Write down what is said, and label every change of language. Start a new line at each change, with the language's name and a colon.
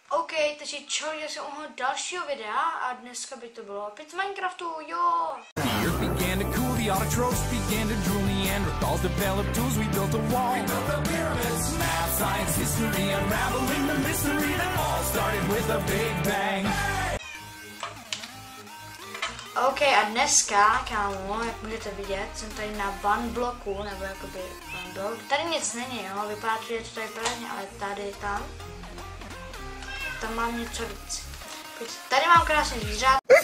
Czech: OK, takže čo, já jsem u dalšího videa a dneska by to bylo opět z Minecraftu, jo!
English: Beer began to cool, the autotrophs began to drool, Neanderthals developed tools, we built a wall. We built the pyramids, math, science, history, unraveling the mystery that all started with a big bang.
Czech: OK, a dneska, kámo, jak můžete vidět, jsem tady na one bloku, nebo jakoby one block. Tady nic není, jo, vypadá to, že to tady prázdně, ale tady, tam. Tam mám něco víc. Tady mám krásný zvířat.